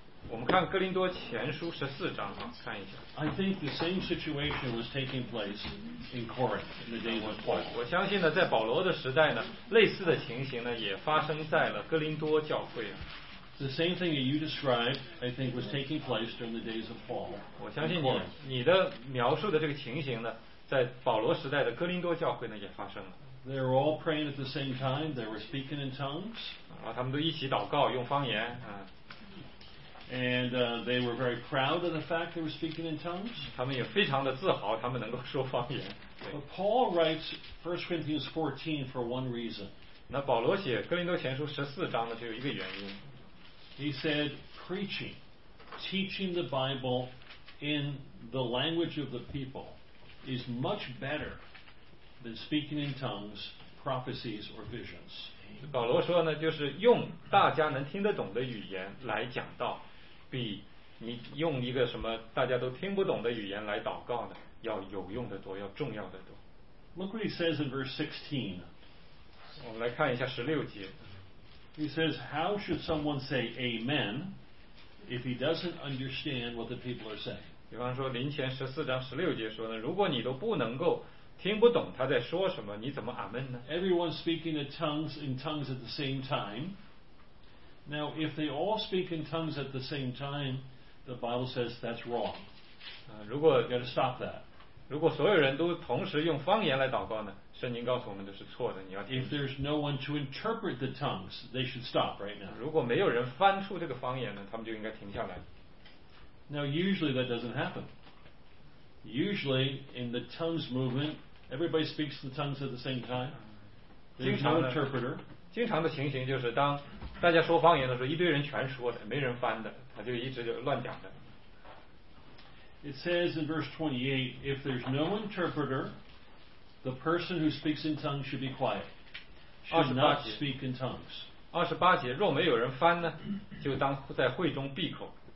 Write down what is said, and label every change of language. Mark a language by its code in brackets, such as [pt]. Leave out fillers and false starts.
[zh] 我们看哥林多前书十四章啊，看一下。 [en] I think the same situation was taking place in Corinth in the days of Paul. [zh] 我相信呢，在保罗的时代呢，类似的情形呢，也发生在了哥林多教会啊。 [en] The same thing that you described, I think, was taking place during the days of Paul. [zh] 我相信你的描述的这个情形呢，在保罗时代的哥林多教会呢，也发生了。 [en] They were all praying at the same time. They were speaking in tongues. [zh] 啊，他们都一起祷告，用方言啊。 [en] And they were very proud of the fact they were speaking in tongues. [zh] 他们也非常的自豪，他们能够说方言。 [en] But Paul writes 1 Corinthians 14 for one reason. [zh] 那保罗写哥林多前书十四章呢，只有一个原因。 [en] He said, preaching, teaching the Bible in the language of the people is much better than speaking in tongues, prophecies, or visions. [zh] 保罗说呢，就是用大家能听得懂的语言来讲道，比你用一个什么大家都听不懂的语言来祷告呢，要有用的多，要重要的多。 [en] Look what he says in verse 16. [zh] 我们来看一下十六节。 [en] He says, how should someone say amen if he doesn't understand what the people are saying? [zh] 比方说林前十四章十六节说呢，如果你都不能够听不懂他在说什么，你怎么阿门呢？ [en] Everyone speaking in tongues at the same time. Now, if they all speak in tongues at the same time, the Bible says that's wrong. [zh] 如果 [en] you gotta stop that. [zh] 如果所有人都同时用方言来祷告呢？圣经告诉我们的是错的，你要听。 [en] If there's no one to interpret the tongues, they should stop right now. [zh] 如果没有人翻出这个方言呢，他们就应该停下来。 [en] Now, usually that doesn't happen. Usually in the tongues movement, everybody speaks the tongues at the same time. There's no interpreter. [zh] 经常的情形就是当大家说方言的时候，一堆人全说的，没人翻的，他就一直就乱讲的。 [en] It says in verse 28, if there's no interpreter, the person who speaks in tongues should be quiet. Should not speak in tongues. [zh] 二十八节，若没有人翻呢，就当在会中闭口。